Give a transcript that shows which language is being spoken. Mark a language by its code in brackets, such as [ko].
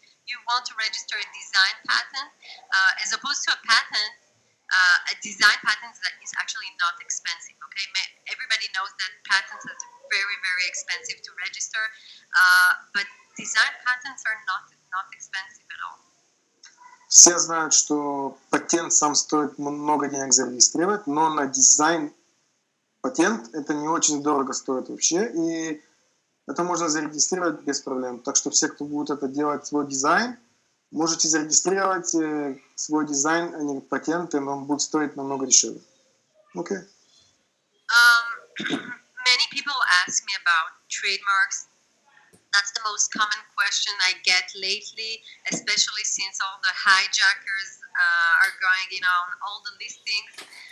[en] You want to register a design patent, as opposed to a patent. A design patent is actually not expensive. Okay, everybody knows that patents are very, very expensive to register, but design patents are not expensive at all. [ru] Все знают, что патент сам стоит много денег зарегистрировать, но на дизайн патент это не очень дорого стоит вообще и это можно зарегистрировать без проблем. Так что все, кто будет это делать, свой дизайн, можете зарегистрировать свой дизайн, а не патенты, но он будет стоить намного дешевле. [en] Okay. Many people ask me about trademarks. That's the most common question I get lately, especially since all the hijackers are going in on all the listings.